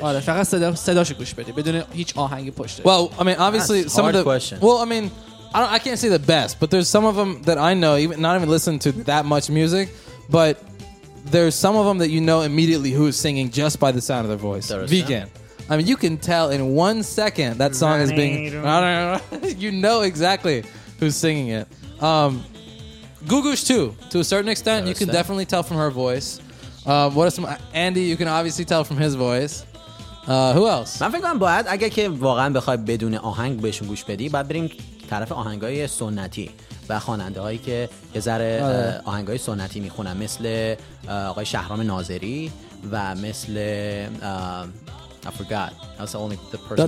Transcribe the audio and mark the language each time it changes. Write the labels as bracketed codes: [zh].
[fa] آره فقط صداشو گوش بدی بدون هیچ آهنگی پشتش. [en] Well, I mean, obviously that's some hard of the question. Well, I mean, I can't say the best, but there's some of them that I know, even not even listen to that much music, but there's some of them that you know immediately who is singing just by the sound of their voice. Vegan. I mean, you can tell in 1 second that song is being... you know exactly who's singing it. Gugush, too, to a certain extent. You can definitely tell from her voice. What are some... Andy, you can obviously tell from his voice. Who else? [fa] من فکر کنم باید اگه که واقعا بخوای بدون آهنگ بهشون گوش بدی، باید بریم طرف آهنگای سنتی و خواننده هایی که یه ذره آهنگای سنتی میخونن، مثل آقای شهرام ناظری و مثل... [en] I forgot. That's the only the person